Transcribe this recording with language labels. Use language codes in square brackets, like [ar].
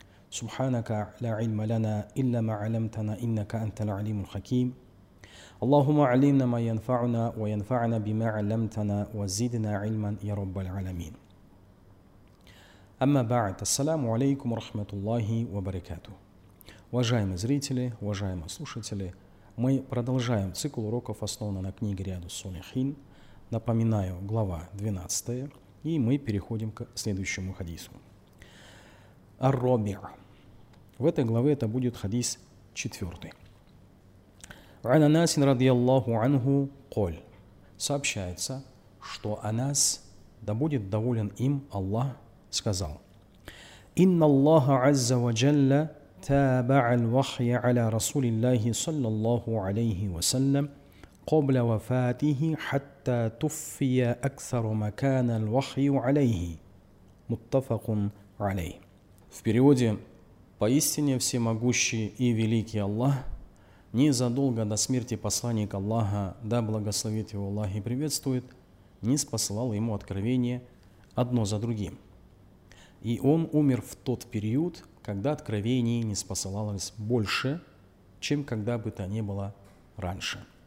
[ar] سبحانك لا علم لنا إلا ما علمتنا إنك أنت العليم الحكيم. اللهم علمنا ما ينفعنا وينفعنا بما علمتنا وزدنا علما يا رب العالمين. أما بعد، السلام عليكم ورحمة الله وبركاته. [ru] Уважаемые зрители, уважаемые слушатели, мы продолжаем цикл уроков, основанный на книге Риаду Солихин. Напоминаю, глава 12, и мы переходим к следующему хадису. Ар-Рабиъ. В этой главе это будет хадис 4. [ar] عن أنس رضي الله عنه قال. [ru] Сообщается, что Анас, да будет доволен им Аллах, сказал: [ar] إن الله عز وجل تابع الوحي على رسول الله صلى الله عليه وسلم قبل وفاته حتى توفي أكثر ما كان الوحي عليه. متفق عليه. [ru] В переводе: поистине всемогущий и великий Аллах незадолго до смерти посланника Аллаха, да благословит его Аллах и приветствует, не спосылал ему откровения одно за другим. И он умер в тот период, когда откровений не спосылалось больше, чем когда бы то ни было раньше.